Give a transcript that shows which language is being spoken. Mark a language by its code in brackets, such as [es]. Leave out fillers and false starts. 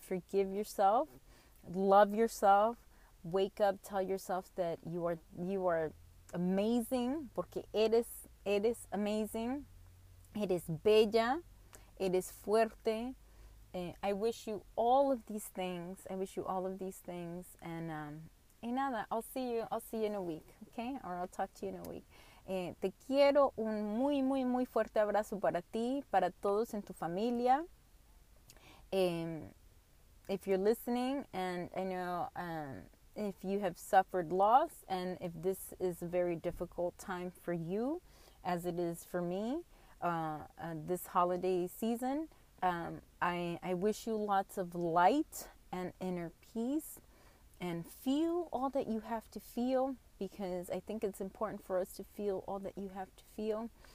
[en] Forgive yourself, love yourself, wake up, tell yourself that you are amazing, [es] porque eres amazing, eres bella, eres fuerte. [en] I wish you all of these things. I wish you all of these things. And nada, I'll see you in a week, okay? Or I'll talk to you in a week. [es] Te quiero un muy, muy, muy fuerte abrazo para ti, para todos en tu familia. [en] If you're listening, and I know if you have suffered loss, and if this is a very difficult time for you, as it is for me, this holiday season, I wish you lots of light and inner peace, and feel all that you have to feel, because I think it's important for us to feel all that you have to feel.